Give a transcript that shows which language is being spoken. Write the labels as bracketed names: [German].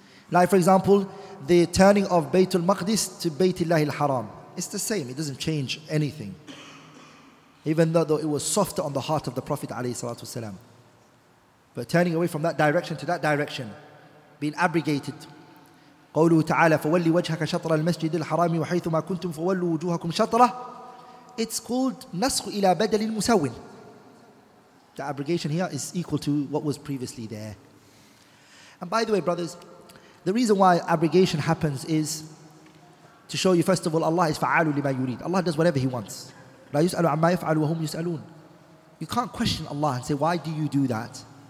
[English] Like, for example, the turning of Baytul Maqdis to Baytillahi al-Haram. It's the same. It doesn't change anything. Even though it was softer on the heart of the Prophet alayhi salatu wasalam. But turning away from that direction to that direction, being abrogated. [Arabic] قوله تعالى فولي وجهك شطر المسجد الحرام وحيثما كنتم فولوا وجوهكم شطرة. [English] It's called [Arabic] نسخ إلى بدل المسوّن. [English] The abrogation here is equal to what was previously there. And by the way, brothers, the reason why abrogation happens is to show you, first of all, Allah is [Arabic] فَعَالُ لِمَا يُرِيدُ. [English] Allah does whatever He wants. [Arabic] لا يُسْأَلُ عَمَّا يَفْعَلُ وَهُمْ يُسْأَلُونَ. [English] You can't question Allah and say, why do you do that?